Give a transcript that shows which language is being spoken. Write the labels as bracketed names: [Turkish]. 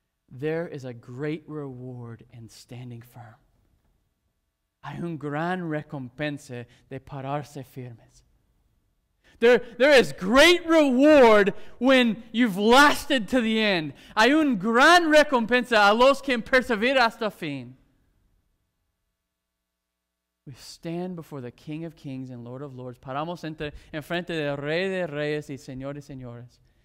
[English] There is a great reward in standing firm. [Spanish] Hay un gran recompensa de pararse firmes. [English] There is great reward when you've lasted to the end. [Spanish] Hay un gran recompensa a los que persevera hasta fin. [English] We stand before the King of Kings and Lord of Lords. [Spanish] Paramos en frente del Rey de Reyes y Señor de Señores.